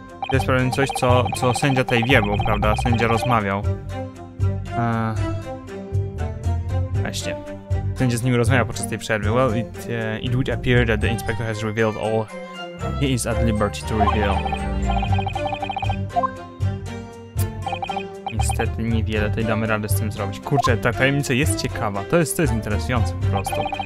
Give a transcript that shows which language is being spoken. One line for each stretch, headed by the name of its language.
Polish: To jest pewnie coś, co sędzia tej wie, bo prawda, sędzia rozmawiał. Właśnie. Sędzia z nim rozmawiał podczas tej przerwy.
English: Well, it would appear that the inspector has revealed all he is at liberty to reveal.
Polish: Niestety niewiele tej damy rady z tym zrobić. Kurczę, ta tajemnica jest ciekawa. To jest interesujące po prostu.